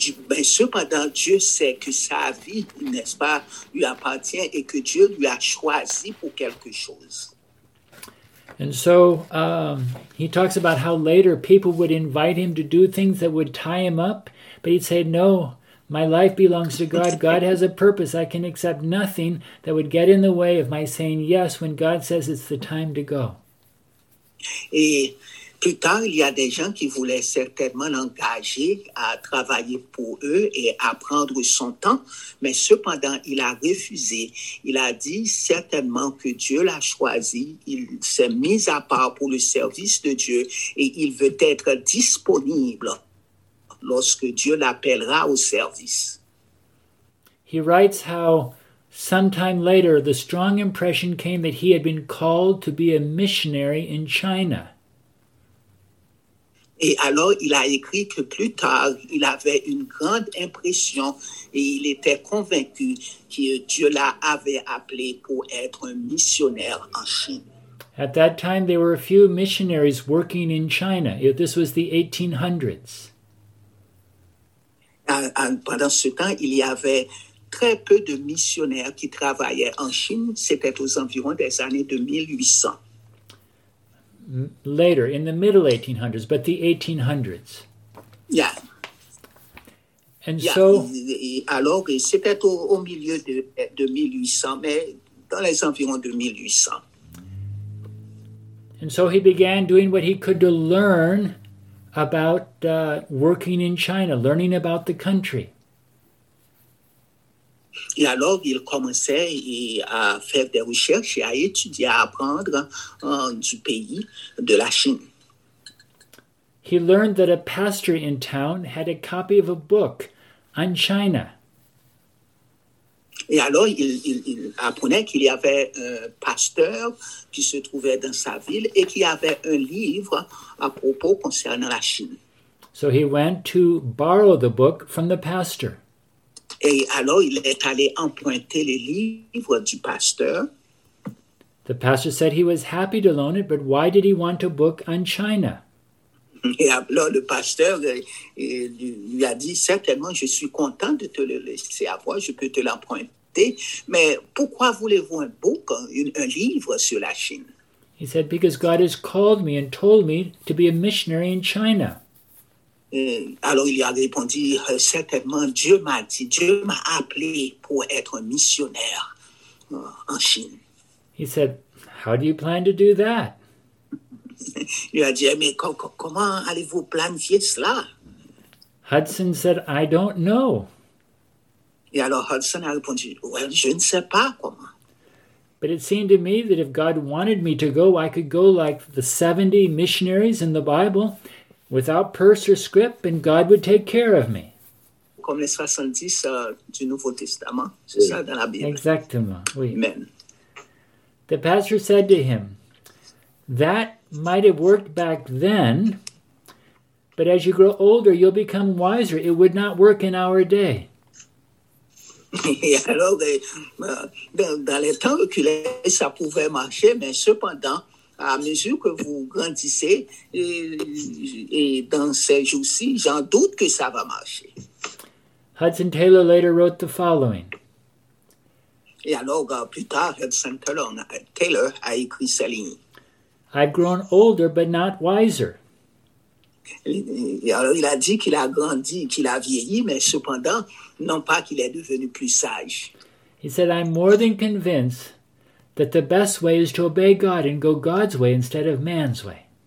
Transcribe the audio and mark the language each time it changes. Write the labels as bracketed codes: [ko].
[fr] Mais cependant, Dieu sait que sa vie, n'est-ce pas, lui appartient et que Dieu lui a choisi pour quelque chose. [en] And so he talks about how later people would invite him to do things that would tie him up, but he'd say, no. My life belongs to God. God has a purpose. I can accept nothing that would get in the way of my saying yes when God says it's the time to go. [fr] Et plus tard, il y a des gens qui voulaient certainement l'engager à travailler pour eux et à prendre son temps, mais cependant, il a refusé. Il a dit certainement que Dieu l'a choisi, il s'est mis à part pour le service de Dieu et il veut être disponible lorsque Dieu l'appellera au service. [en] He writes how sometime later the strong impression came that he had been called to be a missionary in China. [fr] Et alors, il a écrit que plus tard, il avait une grande impression et il était convaincu que Dieu l'avait appelé pour être un missionnaire en Chine. [en] At that time, there were a few missionaries working in China. This was the 1800s. [fr] Pendant ce temps, il y avait très peu de missionnaires qui travaillaient en Chine. C'était aux environs des années de 1800. [en] Later, in the middle 1800s, but the 1800s. And so, [fr] Et alors, c'était au milieu de 1800, mais dans les environs de 1800. [en] And so he began doing what he could to learn about working in China, learning about the country. [fr] Et alors, il commençait à faire des recherches et à étudier, à apprendre du pays, de la Chine. [en] He learned that a pastor in town had a copy of a book on China. [fr] Et alors, il apprenait qu'il y avait un pasteur qui se trouvait dans sa ville et qui avait un livre à propos concernant la Chine. [en] So he went to borrow the book from the pastor. [fr] Et alors, il est allé emprunter le livre du pasteur. [en] The pastor said he was happy to loan it, but why did he want a book on China? [fr] Et alors, le pasteur lui a dit, certainement, je suis content de te le laisser avoir, je peux te l'emprunter, mais pourquoi voulez-vous un book, un livre sur la Chine? [en] He said, because God has called me and told me to be a missionary in China. [fr] Alors il lui a répondu, certainement Dieu m'a dit, Dieu m'a appelé pour être un missionnaire en Chine. [en] He said, how do you plan to do that? [fr] Il lui a dit, mais comment allez-vous planifier cela? [en] Hudson said, I don't know. [fr] Et alors Hudson a répondu, well, je ne sais pas comment. [en] But it seemed to me that if God wanted me to go, I could go like the 70 missionaries in the Bible, without purse or scrip, and God would take care of me. [fr] Comme les 70 du Nouveau Testament, c'est ça dans la Bible. Exactement, oui. Amen. [en] The pastor said to him, that might have worked back then, but as you grow older, you'll become wiser. It would not work in our day. [fr] Et alors, dans les temps reculés, ça pouvait marcher, mais cependant, à mesure que vous grandissez, et dans ces jours-ci, j'en doute que ça va marcher. [en] Hudson Taylor later wrote the following. [fr] Et alors, plus tard, Hudson Taylor a écrit cette ligne. [en] I've grown older, but not wiser. [fr] Et alors, il a dit qu'il a grandi, qu'il a vieilli, mais cependant, non pas qu'il est devenu plus sage. [en] He said, I'm more than convinced that the best way is to obey God and go God's way instead of man's way.